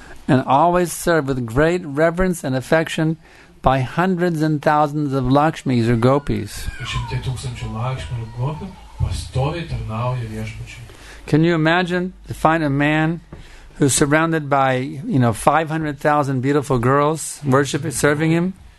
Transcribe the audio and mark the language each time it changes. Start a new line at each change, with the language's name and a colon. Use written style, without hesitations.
English: And always served with great reverence and affection by hundreds and thousands of Lakshmis or gopis.
Lithuanian: Šimtai tūkstančių Lakshmi ir gopi pastoviai tarnauja viešpačiui.
English: Can you imagine to find a man who's surrounded by, you know, 500,000 beautiful girls worshiping, serving him?